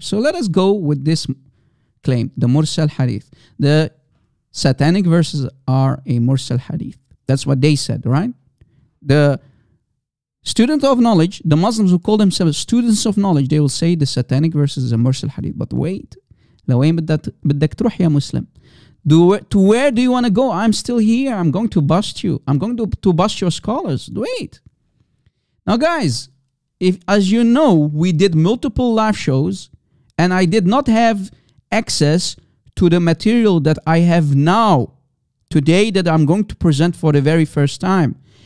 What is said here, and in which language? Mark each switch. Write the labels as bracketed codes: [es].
[en] So let us go with this claim, the Mursal Hadith. The satanic verses are a Mursal Hadith. That's what they said, right? The student of knowledge, the Muslims who call themselves students of knowledge, they will say the satanic verses is a Mursal Hadith. But wait, [ar] لوين بدك تروح يا مسلم? [en] To where do you want to go? I'm still here. I'm going to bust you. I'm going to bust your scholars. Wait. Now guys, if as you know, we did multiple live shows and I did not have access to the material that I have now today that I'm going to present for the very first time.